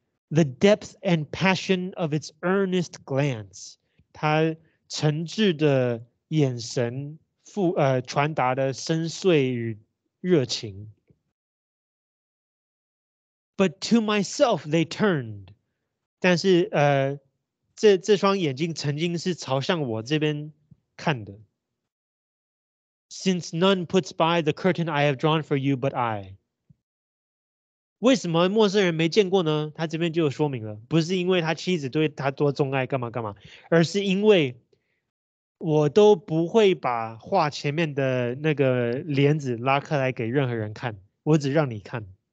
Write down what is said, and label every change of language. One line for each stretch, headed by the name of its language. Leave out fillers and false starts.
English: The depth and passion of its earnest glance,
Chinese: 它诚挚的眼神传达的深邃与热情。
English: But to myself they turned.
Chinese: 但是这双眼睛曾经是朝向我这边看的。
English: Since none puts by the curtain I have drawn for you but I.
Chinese: 为什么陌生人没见过呢？他这边就有说明了，不是因为他妻子对他多钟爱干嘛干嘛，而是因为我都不会把画前面的那个帘子拉开来给任何人看，我只让你看。